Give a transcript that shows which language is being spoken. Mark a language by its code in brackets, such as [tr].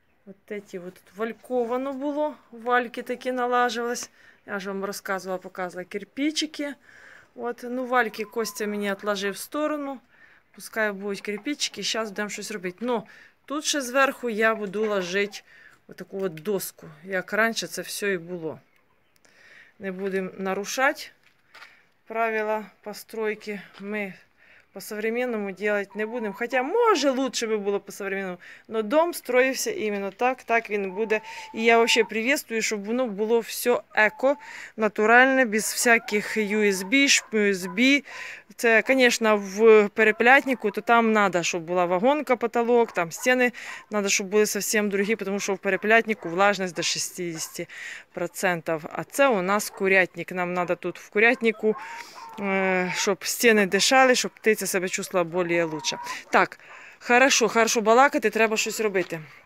[uk] От ці от вальковано було, вальки такі налажувались. Я ж вам розказувала, показувала кирпичики. От, ну вальки Костя мені відложив в сторону. Пускай будуть кирпичики, зараз будемо щось робити. Ну, тут ще зверху я буду ложити отаку от доску, як раніше це все і було. Не будемо нарушати правила постройки. [ru] Ми по-современному делать не будем. Хотя, может, лучше бы было по-современному. Но дом строился именно так. Так он будет. И я вообще приветствую, чтобы оно было все эко, натурально, без всяких USB, USB. Это, конечно, в перепелятнику, то там надо, чтобы была вагонка, потолок, там стены надо, чтобы были совсем другие, потому что в перепелятнику влажность до 60%. А это у нас курятник. [uk] Нам надо тут в курятнику, щоб стіни дишали, щоб птиця себе чувствувала більше. Так, Хорошо, хорошо балакати, треба щось робити.